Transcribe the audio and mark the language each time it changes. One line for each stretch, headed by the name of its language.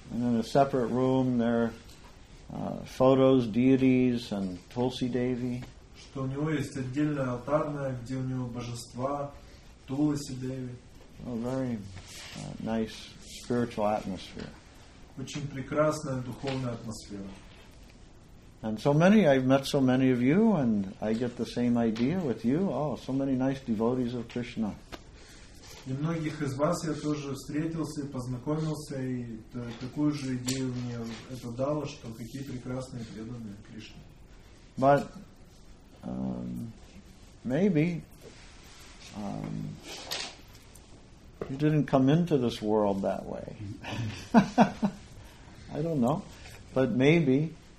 English: And in a separate room there photos, deities and Tulsi Devi.
Russian: Что у него есть отдельная алтарная, где у него божества, Тулси Деви.
English: Very nice spiritual atmosphere.
Russian: Очень прекрасная духовная атмосфера.
English: And so many, I've met so many of you, and I get the same idea with you. Oh, so many nice devotees of Krishna.
Russian: И многих из вас я тоже встретился и познакомился, и такую же идею мне это дало, что какие прекрасные преданные Кришне.
English: But maybe you didn't come into this world that way. I don't know, but maybe.